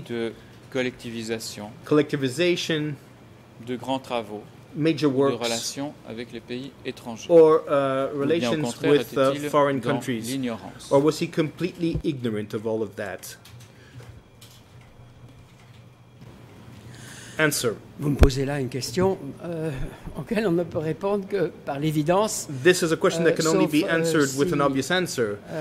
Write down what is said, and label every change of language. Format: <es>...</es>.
<fr>de collectivisation,</fr> <en>collectivization,</en> <fr>de grands travaux,</fr> <en>major works,</en> <fr>de relations avec les pays étrangers,</fr> <en>or relations with foreign countries,</en> <fr>l'ignorance.</fr> <en>Or was he completely ignorant of all of that? Answer.</en> <fr>Vous me posez là une question auquel on ne peut répondre que par l'évidence.</fr> <en>This is a question that can only be answered with an obvious answer.</en>